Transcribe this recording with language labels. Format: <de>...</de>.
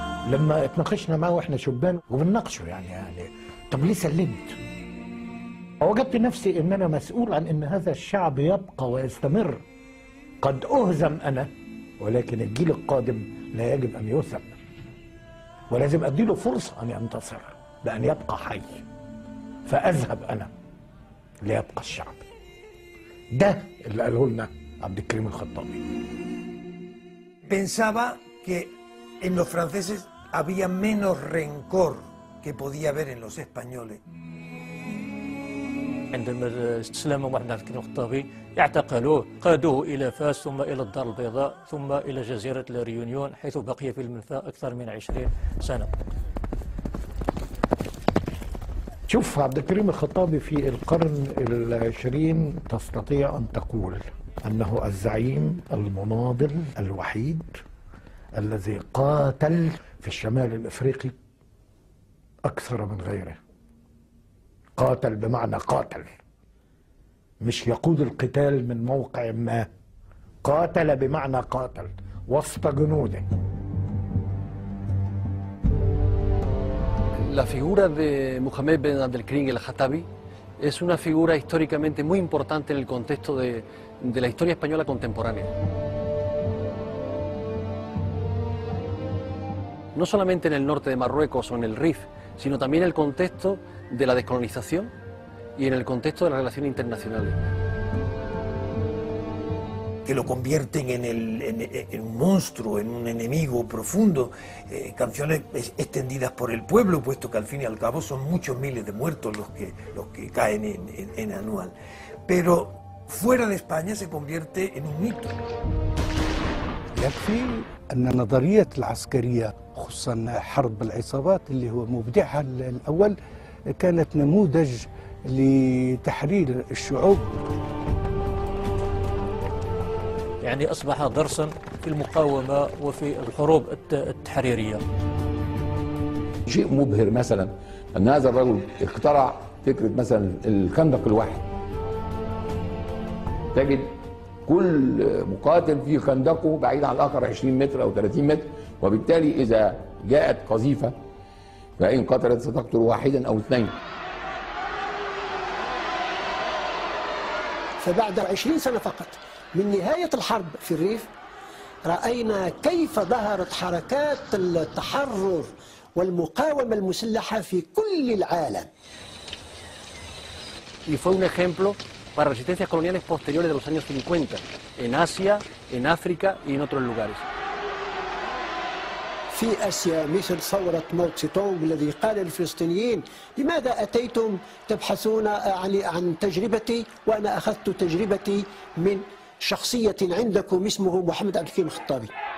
<ar>لما اتناقشنا معه وإحنا شبان وبنناقشه يعني طب ليه سلمت؟ وجدت نفسي إن أنا مسؤول عن إن هذا الشعب يبقى ويستمر. قد أهزم أنا ولكن الجيل القادم لا يجب أن يثب، ولازم أديله فرصة أن ينتصر بأن يبقى حي، فأذهب أنا ليبقى الشعب. ده اللي قاله لنا عبد الكريم الخطابي.</ar> <es>Pensaba que en los franceses había menos rencor que podía haber en los españoles.</es> <ar>عندما استسلم محمد عبد الكريم الخطابي اعتقلوه، قادوه إلى فاس ثم إلى الدار البيضاء ثم إلى جزيرة لاريونيون حيث بقي في المنفى أكثر من 20 سنة. شوف عبد الكريم الخطابي في القرن 20 تستطيع أن تقول أنه الزعيم المناضل الوحيد الذي قاتل في الشمال الإفريقي أكثر من غيره. قاتل بمعنى قاتل، مش يقود القتال من موقع ما، قاتل بمعنى قاتل وسط جنوده.</ar> <es>La figura de Mohamed Ben Abdelkrim el Khattabi es una figura históricamente muy importante en el contexto de la historia española contemporánea. No solamente en el norte de Marruecos o en el Rif, sino también en el contexto de la descolonización y en el contexto de las relaciones internacionales. Que lo convierten en un monstruo, en un enemigo profundo, canciones extendidas por el pueblo, puesto que al fin y al cabo son muchos miles de muertos los que caen en anual. Pero fuera de España se convierte en un mito.</es> <ar>يكفي أن نظرية العسكرية خصوصاً حرب العصابات اللي هو مبدعها الأول كانت نموذج لتحرير الشعوب، يعني أصبح درساً في المقاومة وفي الحروب التحريرية. شيء مبهر مثلاً أن هذا الرجل اخترع فكرة مثلا الخندق الواحد، تجد كل مقاتل في خندقه بعيد عن الآخر 20 متر أو 30 متر، وبالتالي إذا جاءت قذيفة فإن قتلت ستقتل واحدا أو اثنين. فبعد 20 سنة فقط من نهاية الحرب في الريف رأينا كيف ظهرت حركات التحرر والمقاومة المسلحة في كل العالم.</ar> <es>Y fue un ejemplo para resistencias coloniales posteriores de los años 50 en Asia, en África y en otros lugares.</es> <ar>في آسيا مثل ثورة ماو تسي تونغ الذي قال الفلسطينيين لماذا أتيتم تبحثون عن تجربتي وأنا أخذت تجربتي من شخصية عندكم اسمه محمد عبد الكريم الخطابي.</ar>